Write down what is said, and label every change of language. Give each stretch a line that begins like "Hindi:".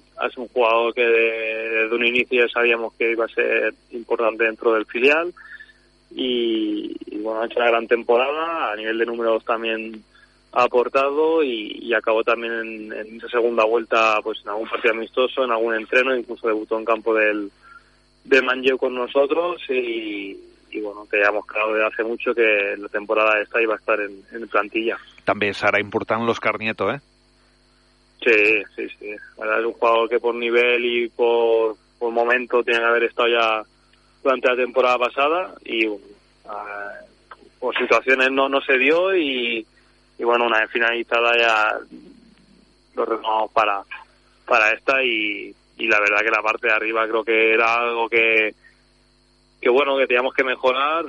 Spanish: Es un jugador que desde un inicio ya sabíamos que iba a ser importante dentro del filial, y bueno, ha hecho una gran temporada, a nivel de números también ha aportado, y acabó también en esa segunda vuelta, pues en algún partido amistoso, en algún entreno, incluso debutó en campo de Manlleu con nosotros, y bueno, que ya hemos creado desde hace mucho que la temporada esta iba a estar en plantilla.
Catalan: També serà important l'Oscar Nieto, ¿eh?
Spanish: Sí. La verdad es un jugador que por nivel y por momento tiene que haber estado ya durante la temporada pasada, y por situaciones no se dio, y bueno, una vez finalizada ya lo renovamos para esta, y la verdad que la parte de arriba creo que era algo que bueno, que teníamos que mejorar.